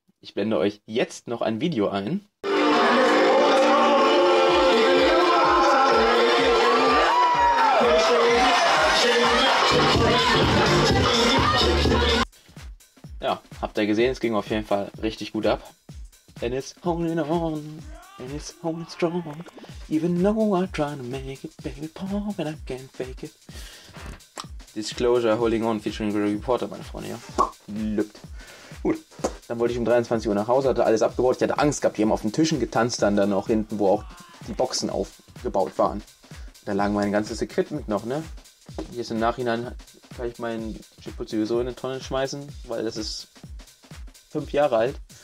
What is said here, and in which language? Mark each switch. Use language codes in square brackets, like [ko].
[de] Ich blende euch jetzt noch ein Video ein. Ja, habt ihr gesehen, es ging auf jeden Fall richtig gut ab. [en] And it's holding on, and it's holding strong. Even though I'm trying to make it, baby, pop, and I can't fake it. [de] Disclosure, holding on, featuring Gregory Porter, meine Freunde, ja. Lübt. Gut, dann wollte ich um 23 Uhr nach Hause, hatte alles abgebaut. Ich hatte Angst gehabt, die haben auf den Tischen getanzt dann auch hinten, wo auch die Boxen aufgebaut waren. Da lag mein ganzes Equipment noch, ne? Jetzt im Nachhinein kann ich meinen Chipputz sowieso in eine Tonne schmeißen, weil das ist 5 Jahre alt.